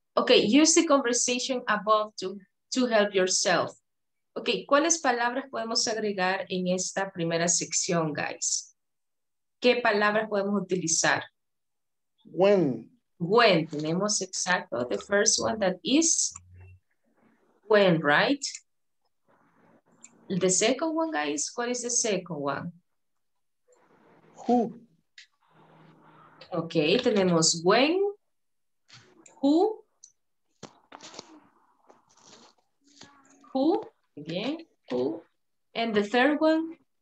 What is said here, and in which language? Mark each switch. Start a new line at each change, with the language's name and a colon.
English: Okay, use the conversation above to help yourself.
Spanish: Okay, ¿cuáles palabras podemos agregar en esta primera sección,
English: guys?
Spanish: ¿Qué palabras podemos utilizar?
English: When. When.
Spanish: Tenemos exacto
English: the first one that is when, right? The second one, guys.
Spanish: ¿Cuál es
English: the second one? Who. Okay,
Spanish: tenemos
English: when, who, again, who, and the third one?